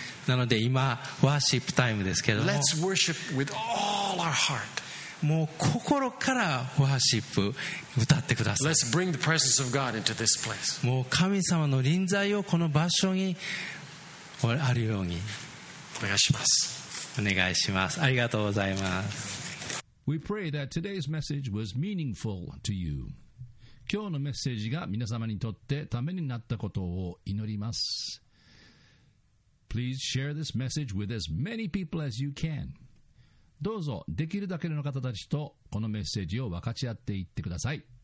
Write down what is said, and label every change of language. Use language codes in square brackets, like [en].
[ja] なので今ワーシップタイムですけども、 [en] Let's worship with all our heart. [ja] もう心からワーシップ歌ってください。 [en] Let's bring the presence of God into this place. [ja] もう神様の臨在をこの場所にあるようにお願いします。お願いします。ありがとうございます。 [en] We pray that today's message was meaningful to you. [ja] 今日のメッセージが皆様にとってためになったことを祈ります。 [en] Please share this message with as many people as you can. [ja] どうぞできるだけの方たちとこのメッセージを分かち合っていってください。